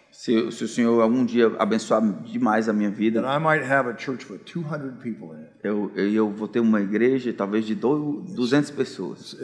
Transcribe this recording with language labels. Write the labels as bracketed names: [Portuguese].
[Portuguese] se o Senhor algum dia abençoar demais a minha vida, [English] I might have a church with 200 people in it. [Portuguese] Eu vou ter uma igreja talvez de 200 pessoas.